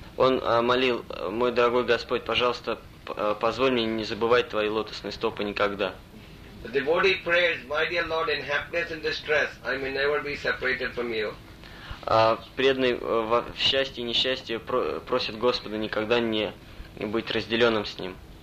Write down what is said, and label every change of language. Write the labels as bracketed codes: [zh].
[ru] Он молил, мой дорогой Господь, пожалуйста, позволь мне не забывать твои лотосные стопы никогда. [en] The devotee prays, my dear Lord, in happiness and distress, I may never be separated from you. [ru] Преданный в счастье и несчастье просит Господа никогда не быть разделенным с ним.